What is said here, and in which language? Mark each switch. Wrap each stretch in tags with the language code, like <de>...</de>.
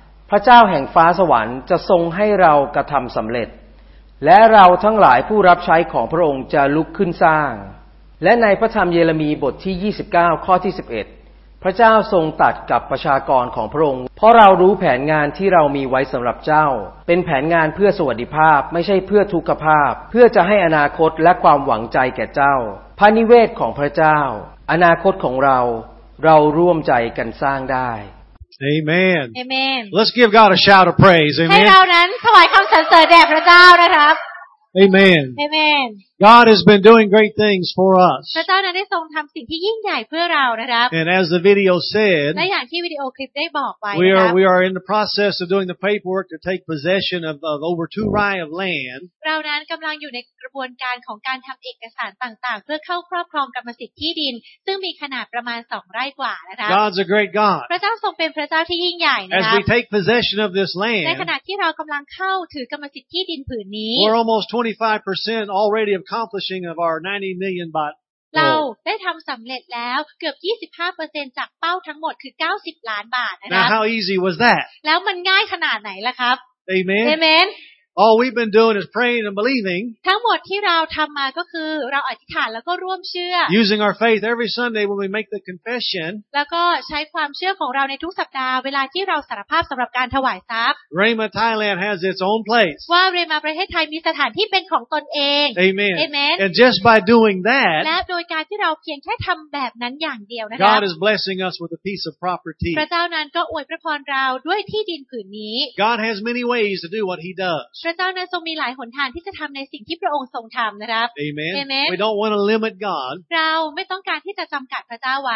<th>พระเจ้าแห่งฟ้าสวรรค์จะทรงให้เรากระทำสำเร็จและเราทั้งหลายผู้รับใช้ของพระองค์จะลุกขึ้นสร้างและในพระธรรมเยเรมีบทที่29ข้อที่11พระเจ้าทรงตรัสกับประชากรของพระองค์เพราะเรารู้แผนงานที่เรามีไว้สำหรับเจ้าเป็นแผนงานเพื่อสวัสดิภาพไม่ใช่เพื่อทุกขภาพเพื่อจะให้อนาคตและความหวังใจแก่เจ้าพระนิเวศของพระเจ้าอนาคตของเราร่วมใจกันสร้างได้</th> <en>Amen. Amen. Let's give God a shout of praise. Amen.</en> <th>ให้เรานั้นถวายคำสรรเสริญแด่พระเจ้านะครับ</th> <en>Amen. Amen. God has been doing great things for us.</en> <th>พระเจ้านั้นได้ทรงทำสิ่งที่ยิ่งใหญ่เพื่อเรานะครับ</th> <en>And as the video said,</en> <th>และอย่างที่วิดีโอคลิปได้บอกไว้</th> <en>We are in the process of doing the paperwork to take possession of over 2 ไร่ of land.</en> <th>เรานั้นกำลังอยู่ในกระบวนการของการทำเอกสารต่างๆเพื่อเข้าครอบครองกรรมสิทธิ์ที่ดินซึ่งมีขนาดประมาณ2 ไร่กว่านะครับ</th> <en>God's a great God.</en> <th>พระเจ้าทรงเป็นพระเจ้าที่ยิ่งใหญ่นะครับ</th> <en>As we take possession of this land,</en> <th>ในขณะที่เรากำลังเข้าถือกรรมสิทธิ์ที่ดินผืนนี้</th> <en>We're almost 25% already of accomplishing of our 90 million baht</en> <th>เราได้ทำสำเร็จแล้วเกือบ 25% จากเป้าทั้งหมดคือ90ล้านบาทนะครับ</th> <en>How easy was that</en> <th>แล้วมันง่ายขนาดไหนล่ะครับ</th> <en>Amen Amen All we've been doing is praying and believing</en> <th>ทั้งหมดที่เราทำมาก็คือเราอธิษฐานแล้วก็ร่วมเชื่อ</th> <en>Using our faith every Sunday when we make the confession</en> <th>แล้วก็ใช้ความเชื่อของเราในทุกสัปดาห์เวลาที่เราสารภาพสำหรับการถวายทรัพย์</th> <en>Rema Thailand has its own place</en> <th>ว่าเรมาประเทศไทยมีสถานที่เป็นของตนเอง</th> <en>Amen Amen And just by doing that</en> <th>และโดยการที่เราเพียงแค่ทำแบบนั้นอย่างเดียวนะครับ</th> <en>God is blessing us with a piece of property</en> <th>พระเจ้านั้นก็อวยพรเราด้วยที่ดินผืนนี้</th> <en>God has many ways to do what he does</en> <th>พระเจ้านั้นทรงมีหลายหนทางที่จะทำในสิ่งที่พระองค์ทรงทำนะครับ</th> <en>Amen. Amen. We don't want to limit God.</en> <th>เราไม่ต้องการที่จะจำกัดพระเจ้าไว</th>